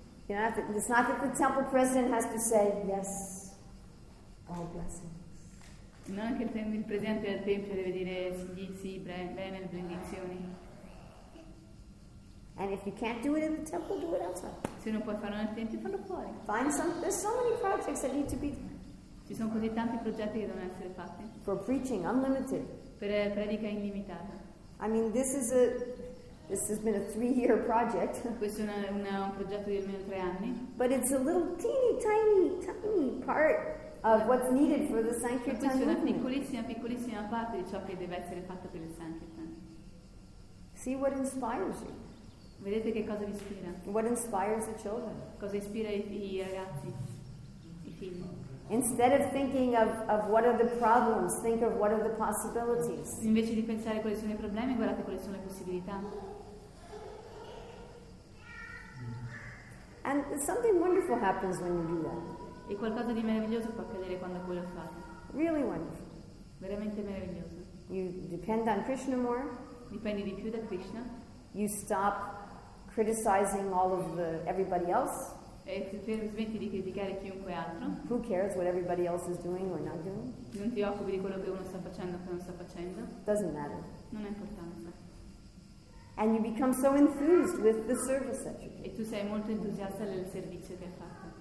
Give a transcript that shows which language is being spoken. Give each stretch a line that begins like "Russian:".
English: It's not that the temple president has to say yes, all blessings.
Italian: Non che il presidente del tempio deve dire sì, sì, bene, benedizioni.
English: And if you can't do it in the temple, do it outside.
Italian: Se non puoi farlo nel tempio, fallo fuori.
English: Find some. There's so many projects that need to be.
Italian: Ci sono così tanti progetti che devono essere fatti.
English: For preaching unlimited.
Italian: Per predica illimitata.
English: I mean, this has been a 3-year project.
Italian: Questo è un progetto di almeno 3 anni.
English: But it's a little teeny tiny part of what's needed for the sankirtan.
Italian: Questa è una piccolissima parte di ciò che deve essere fatto per il sankirtan.
English: See what inspires you.
Italian: Vedete che cosa vi ispira.
English: What inspires the children?
Italian: Cosa ispira i ragazzi, i figli.
English: Instead of thinking of what are the problems, think of what are the possibilities.
Italian: Invece di pensare quali sono i problemi, guardate quali sono le possibilità.
English: And something wonderful happens when you do that.
Italian: E qualcosa di meraviglioso può accadere quando quello fa.
English: Really wonderful.
Italian: Veramente meraviglioso.
English: You depend on Krishna more.
Italian: Dipendi di più da Krishna.
English: You stop criticizing all of the everybody else.
Italian: E smetti di criticare chiunque altro.
English: Who cares what everybody else is doing or not doing?
Italian: Non ti occupi di quello che uno sta facendo o che non sta facendo.
English: Doesn't matter.
Italian: Non è importanza.
English: And you become so enthused with the service that you do.
Italian: E tu sei molto entusiasta del servizio che hai fatto.